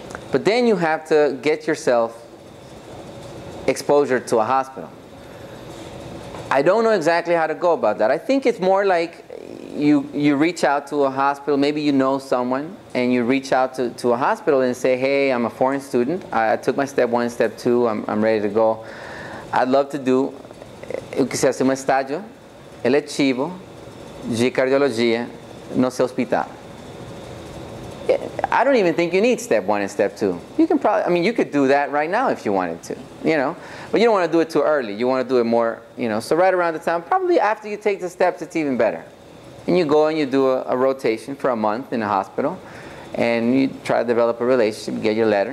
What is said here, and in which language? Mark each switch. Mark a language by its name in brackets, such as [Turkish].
[English] But then you have to get yourself exposure to a hospital. I don't know exactly how to go about that. I think it's more like you reach out to a hospital, maybe you know someone, and you reach out to a hospital and say, hey, I'm a foreign student. I took my step one, step two, I'm ready to go. I'd love to do [Portuguese] o que se chama estágio eletivo de cardiologia no seu hospital. [English] I don't even think you need step one and step two. You can probably, I mean, you could do that right now if you wanted to, you know. But you don't want to do it too early. You want to do it more, you know. So right around the time, probably after you take the steps, it's even better. And you go and you do a rotation for a month in a hospital. And you try to develop a relationship, get your letter.